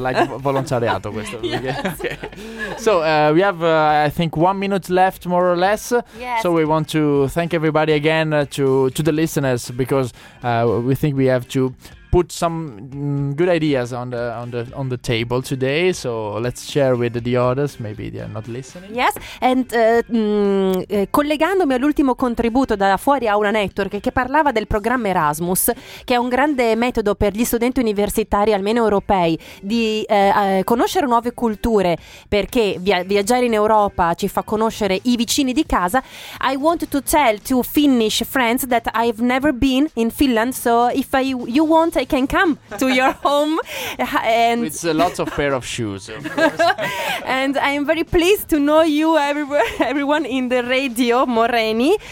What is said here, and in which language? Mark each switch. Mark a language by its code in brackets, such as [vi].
[en] Okay, like [it] volontariato questo. [en] Yes. Okay. So we have, I think, 1 minute left, more or less. Yes. So we want to thank everybody again to the listeners, because we think we have to put some good ideas on the table today. So let's share with the others, maybe they are not listening. Yes, and [it] collegandomi all'ultimo contributo da fuori aula network, che parlava del programma Erasmus, che è un grande metodo per gli studenti universitari, almeno europei, di conoscere nuove culture, perché viaggiare in Europa ci fa conoscere i vicini di casa. [en] I want to tell to Finnish friends that I've never been in Finland, so if you want, I can come to your home. And it's a lot of pair of shoes, of course. And I am very pleased to know you, everyone in the radio, Moreni.